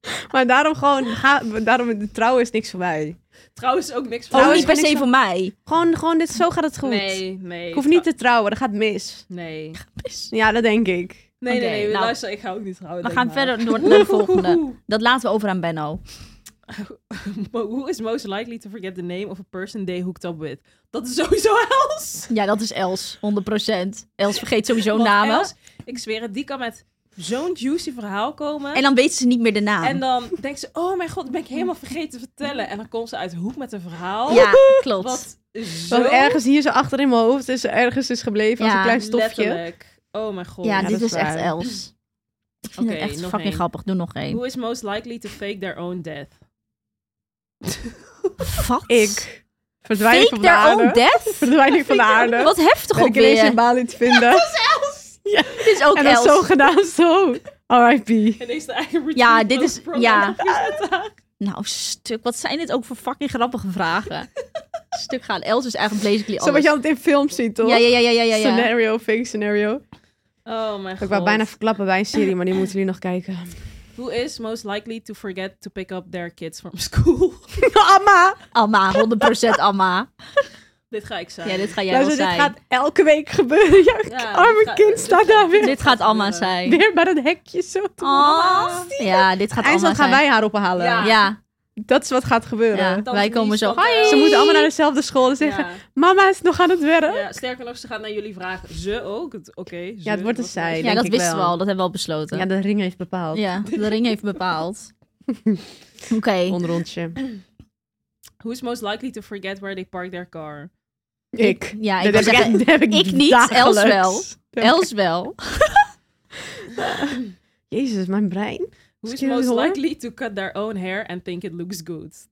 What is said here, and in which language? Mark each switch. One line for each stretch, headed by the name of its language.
Dutch: Maar daarom gewoon, daarom trouw is niks voor mij. Trouw is ook niks voor mij. Oh, niet per se voor mij. Gewoon dit, zo gaat het goed. Nee. Ik hoef niet te trouwen, dat gaat mis. Nee. Ja, dat denk ik. Nee, nou, luister, ik ga ook niet trouwen. We gaan verder door naar de volgende. Dat laten we over aan Benno.
English: Who is most likely to forget the name of a person they hooked up with?
Dutch: Dat is sowieso Els. Ja, dat is Els, 100%. Els vergeet sowieso namen. Els, ik zweer het, die kan met... zo'n juicy verhaal komen. En dan weten ze niet meer de naam. En dan denken ze, oh mijn god, ben ik helemaal vergeten te vertellen. En dan komt ze uit de hoek met een verhaal. Ja, klopt. Wat ergens hier zo achter in mijn hoofd is, ergens is gebleven als een klein stofje. Letterlijk. Oh mijn god. Ja dit is echt Els. Ik vind het echt fucking grappig. Doe nog één.
English: Who is most likely to fake their own death?
Dutch: Wat? Ik. Verdwijn
English: fake
Dutch: ik van de aarde.
English: Fake their own death?
Dutch: Verdwijn ik van de aarde. Wat heftig ben ook weer. Ik ineens in Bali te vinden. Ja, dat is Els. Ja, dit is ook en dat Els. Is zo gedaan, zo. R.I.P. En is de eigen routine. Ja, dit is... Ja. Nou, stuk. Wat zijn dit ook voor fucking grappige vragen. Stuk gaan. Els is eigenlijk basically alles. Zo wat je altijd in films ziet, toch? Ja. Scenario, fake scenario. Oh mijn god. Ik wou bijna verklappen bij een serie, maar die moeten jullie nog kijken.
English: Who is most likely to forget to pick up their kids from school?
Dutch: Amma. Amma, 100% Amma. Dit ga ik zijn. Ja, dit ga jij wel zijn. Dit gaat elke week gebeuren. Ja, arme kind staat daar weer. Dit gaat allemaal zijn. Weer bij dat hekje zo. Oh. Ja, dit gaat allemaal zijn. En dan gaan wij haar ophalen. Ja. Dat is wat gaat gebeuren. Ja, wij komen zo. Hi. Ze moeten allemaal naar dezelfde school en zeggen... Ja. Mama is nog aan het werk. Ja, sterker nog, ze gaat naar jullie vragen. Ze ook? Oké. Ja, het wordt een zij. Ja, dat wisten we al. Dat hebben we al besloten. Ja, de ring heeft bepaald. Ja, de ring heeft bepaald. Oké. Een rondje.
English: Who is most likely to forget where they park their car?
Dutch: Ik. Ja, ik zeg dat heb ik dagelijks. Niet. Els wel. Els wel. Jezus, mijn brein.
English: Who is most likely to cut their own hair and think it looks good?